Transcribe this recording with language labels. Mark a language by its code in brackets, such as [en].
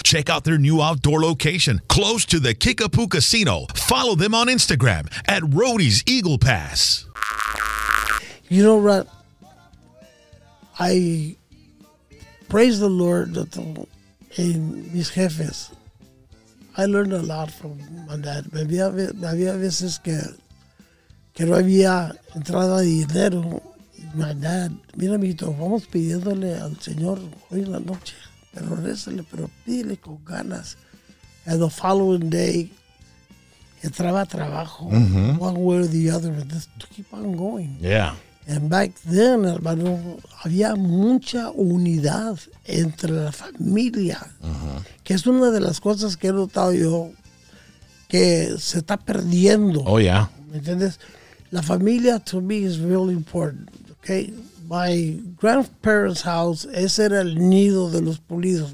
[en] Check out their new outdoor location close to the Kickapoo Casino. Follow them on Instagram at Rhodey's Eagle Pass. You know, Rhett, I praise the Lord that in [es] mis jefes, [en] I learned a lot from my dad. [es] Me había veces que no había entrada de dinero. [en] My dad, [es] mira, mijito, vamos pidiéndole al Señor hoy en la noche, pero récele, pero pídele con ganas. [en] And the following day, [es] entraba trabajo, [en] one way or the other, but just to keep on going. Yeah. And back then, [es] hermano, había mucha unidad entre la familia, que es una de las cosas que he notado yo, que se está perdiendo. [en] Oh, yeah. [es] ¿Me entiendes? La familia, [en] to me, is really important, okay? My grandparents' house, [es] ese era el nido de los Pulidos.